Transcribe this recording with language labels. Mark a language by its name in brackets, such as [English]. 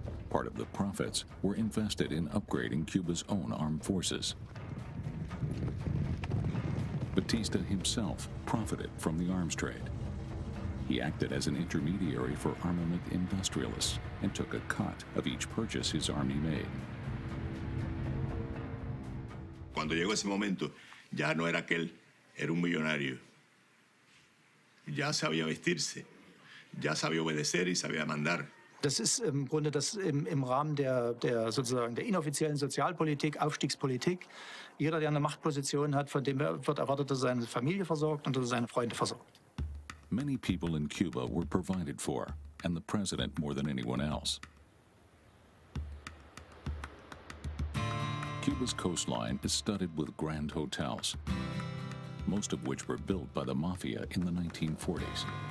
[English] Part of the profits were invested in upgrading Cuba's own armed forces. Batista himself profited from the arms trade. He acted as an intermediary for armament industrialists and took a cut of each purchase his army made. [Spanish] Cuando llegó ese momento, ya no era aquel, era un millonario. Ya sabía vestirse, ya sabía obedecer y sabía mandar. [German] Das ist im Grunde das im Rahmen der sozusagen der inoffiziellen Sozialpolitik, Aufstiegspolitik. Jeder, der eine Machtposition hat, von dem wird erwartet, dass er seine Familie versorgt und dass er seine Freunde versorgt. [English] Many people in Cuba were provided for, and the president more than anyone else. Cuba's coastline is studded with grand hotels, most of which were built by the mafia in the 1940s.